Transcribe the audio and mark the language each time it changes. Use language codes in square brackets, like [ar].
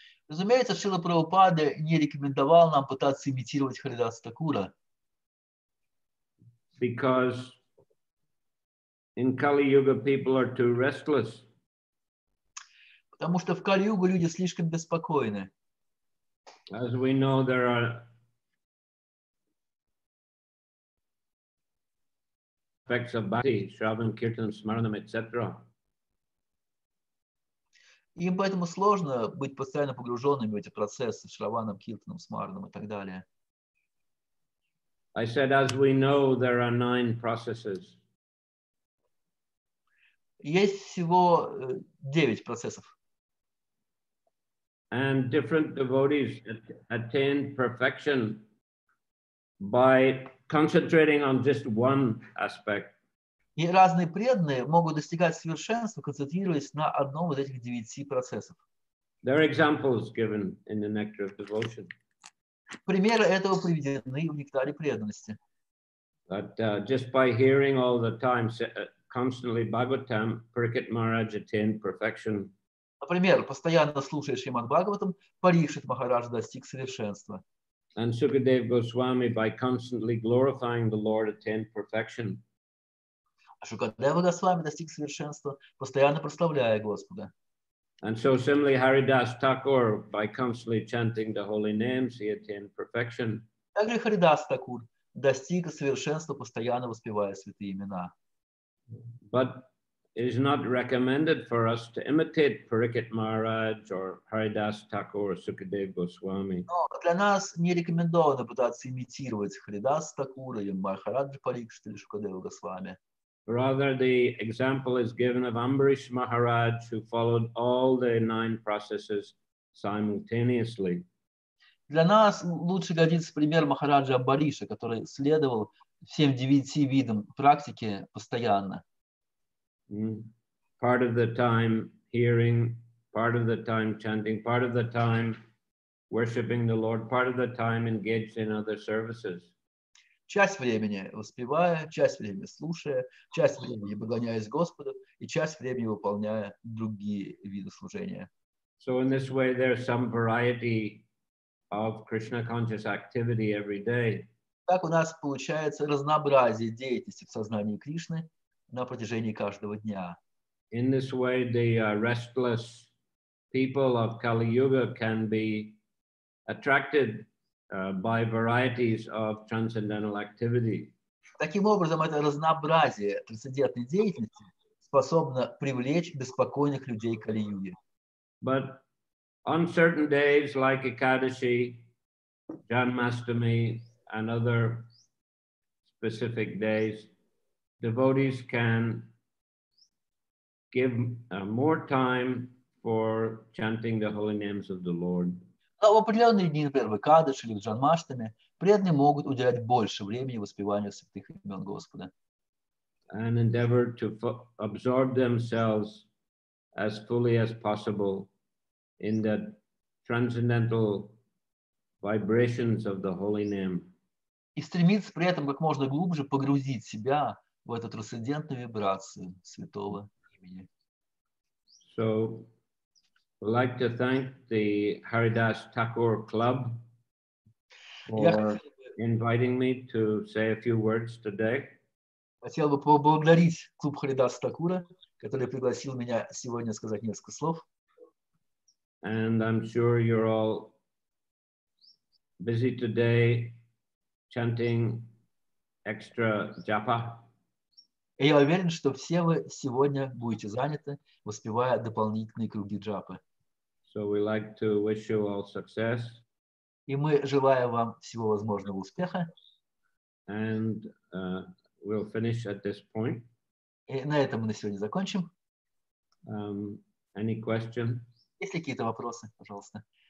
[ru] Разумеется, Шрила Прабхупада не рекомендовал нам пытаться имитировать Харидаса Такура. [en] Because in Kali-Yuga people are too restless. [ru] Потому что в Кали-Югу люди слишком беспокойны. [en] As we know, there are aspects of bhakti, shravan, kirtan, smaranam, etc. [ru] Им поэтому сложно быть постоянно погруженными в эти процессы, шраваном, киртаном, смаранам и так далее. [en] I said, as we know, there are 9 processes. [ru] Есть всего 9 процессов. [en] And different devotees attain perfection by concentrating on just one aspect. [ru] И разные преданные могут достигать совершенства, концентрируясь на одном из этих 9 процессов. [en] There are examples given in the Nectar of Devotion. [ru] Примеры этого приведены в Нектаре преданности. [en] That just by hearing all the time, constantly Bhagavatam, Parikshit Maharaj attained perfection. [ru] Например, постоянно слушая Шримад Бхагаватам, Парикшит Махарадж достиг совершенства. [en] And Sukadeva Goswami, by constantly glorifying the Lord, attained perfection. [ru] Шукадева Госвами достиг совершенства, постоянно прославляя Господа. [en] And so similarly, Haridas Thakur, by constantly chanting the holy names, he attained perfection. [ru] Также Харидас Такур достиг совершенства, постоянно воспевая святые имена. [en] But it is not recommended for us to imitate Parikit Maharaj or Haridas Thakur or Sukadev Goswami. [ru] Но для нас не рекомендовано пытаться имитировать Харидас Такура или Махараджа Парикшита или Шукадева Госвами. [en] Rather, the example is given of Ambarish Maharaj, who followed all the nine processes simultaneously. [ru] Для нас лучше годится пример Махараджа Амбариша, который следовал всем девяти видам практики постоянно. [en] Part of the time hearing, part of the time chanting, part of the time worshipping the Lord, part of the time engaged in other services. [ru] Часть времени воспевая, часть времени слушая, часть времени поклоняясь Господу и часть времени выполняя другие виды служения. [en] So in this way there's some variety of Krishna conscious activity every day. [ru] Так у нас получается разнообразие деятельности в сознании Кришны на протяжении каждого дня. [en] In this way, the restless people of Kali Yuga can be attracted by varieties of transcendental activity. [ru] Таким образом, это разнообразие трансцендентной деятельности способно привлечь беспокойных людей Кали Юги. [en] But on certain days, like Ekadashi, Janmashtami, and other specific days, devotees can give more time for chanting the holy names of the Lord. [ru] В определенные дни, например, в Экадаш или в Джанмаштами, преданные могут уделять больше времени воспеванию святых имен Господа. [en] And endeavor to absorb themselves as fully as possible in the transcendental vibrations of the holy name. [ru] И стремиться при этом как можно глубже погрузить себя в эту трансцендентную вибрацию святого имени. [en] So, I'd like to thank the Haridas Thakur Club for inviting me to say a few words today. [ru] Хотел бы поблагодарить клуб Харидас Такура, который пригласил меня сегодня сказать несколько слов. [en] And I'm sure you're all busy today chanting extra japa. [ru] И я уверен, что все вы сегодня будете заняты, воспевая дополнительные круги джапы. [en] So we like to wish you all success. [ru] И мы желаем вам всего возможного успеха. [en] And we'll finish at this point. [ru] И на этом мы на сегодня закончим. [en] Any question? [ru] Есть ли какие-то вопросы, пожалуйста?